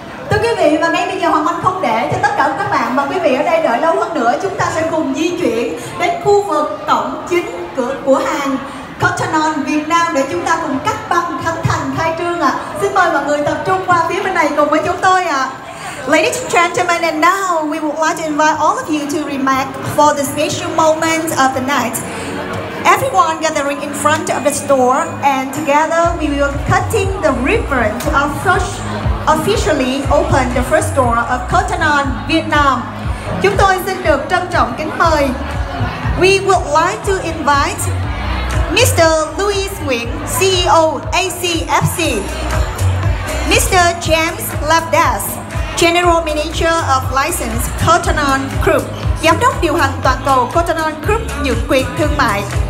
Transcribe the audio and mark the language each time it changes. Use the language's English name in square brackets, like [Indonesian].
[Vietnamese] Thưa quý vị, và ngay bây giờ Hoàng Anh không để cho tất cả các bạn và quý vị ở đây đợi lâu hơn nữa, chúng ta sẽ cùng di chuyển đến khu vực cổng chính của hàng Cotton On Việt Nam để chúng ta cùng cắt băng khánh thành khai trương ạ. Xin mời mọi người tập trung qua phía bên này cùng với chúng tôi ạ. [English] Ladies and gentlemen, and now we would like to invite all of you to remark for the special moment of the night. Everyone gathering in front of the store, and together we will cutting the ribbon to officially open the first store of Cotton On Vietnam. [Vietnamese] Chúng tôi xin được trân trọng kính mời. [English] We would like to invite Mr. Louis Nguyen, CEO ACFC, Mr. [Vietnamese] James Labdas, [English] General Manager of License Cotton On Group, [Vietnamese] Giám đốc điều hành toàn cầu Cotton On Group nhượng quyền thương mại.